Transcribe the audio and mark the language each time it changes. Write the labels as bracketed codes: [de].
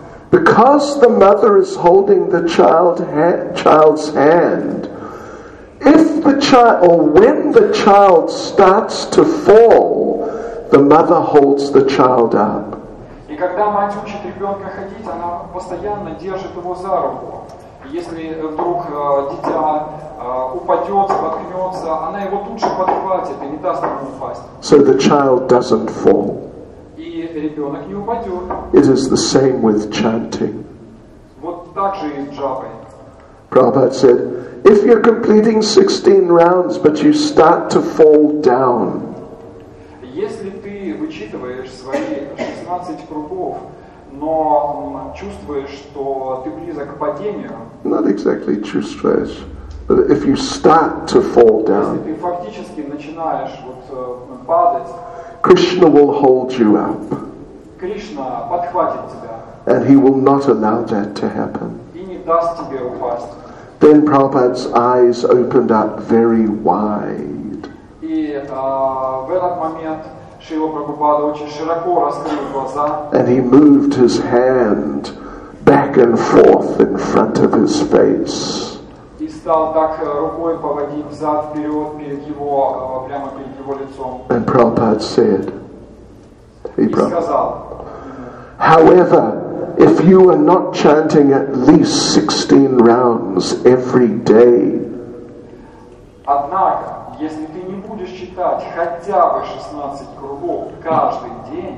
[en] Because the mother is holding the child's hand, if the child, or when the child starts to fall, the mother holds the child up. [ru] И когда мать учит ребенка ходить, она постоянно держит его за руку. Если вдруг дитя упадет, споткнется, она его тут же подхватит и не даст ему упасть. [en] So the child doesn't fall. [ru] И ребенок не упадет. [en] It is the same with chanting. [ru] Вот так же и с джапой. [en] Prabhupada said, if you're completing 16 rounds, but you start to fall down. [ru] Если ты вычитываешь свои 16 кругов, но чувствуешь, что ты близок к падению. [en] Not exactly [ru] чувствуешь, [en] but if you start to fall down. [ru] Если ты фактически начинаешь вот падать. [en] Krishna will hold you up. [ru] Кришна подхватит тебя. [en] And he will not allow that to happen. [ru] И не даст тебе упасть. [en] Then Prabhupada's eyes opened up very wide. [ru] И в этот момент Шрила Прабхупада очень широко раскрыл глаза. [en] And he moved his hand back and forth in front of his face. [ru] И стал так рукой поводить взад вперед перед его прямо перед его лицом. [en] And Prabhupada said, he [ru] сказал, [en] however, if you are not chanting at least 16 rounds every day, [ru] однако, если ты не будешь читать хотя бы 16 кругов каждый день,